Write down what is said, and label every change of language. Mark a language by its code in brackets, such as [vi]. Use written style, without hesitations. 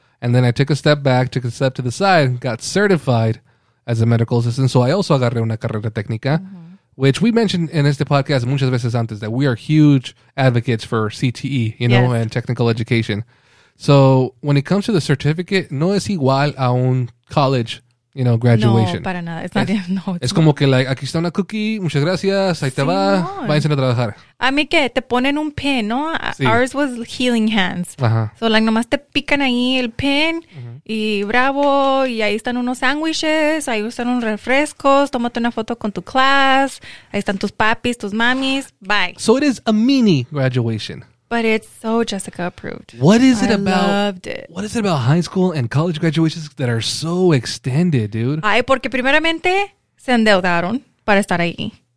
[en] And then I took a step back, took a step to the side, got certified as a medical assistant. So I also [es] agarré una carrera técnica, [en] which we mentioned in [es] este podcast muchas veces antes [en] that we are huge advocates for CTE, you know, and technical education. So when it comes to the certificate, [es] no es igual a un [en] college, you know, graduation. [es] No, para nada. [en] It's not even, no. [es] Es como que, like, aquí está una cookie, muchas gracias, ahí te va, váyanse a trabajar. A mí que te ponen un pin, ¿no? Sí. [en] Ours was healing hands. [es] Ajá. So, like, nomás te pican ahí el pin y bravo, y ahí están unos sándwiches, ahí están unos refrescos, tómate una foto con tu class, ahí están tus papis, tus mamis, bye. [en] So it is a mini graduation. But it's so Jessica approved. What is it about? I loved it. What is it about high school and college graduations that are so extended, dude? [es] Ay, porque primeramente se endeudaron para estar ahí.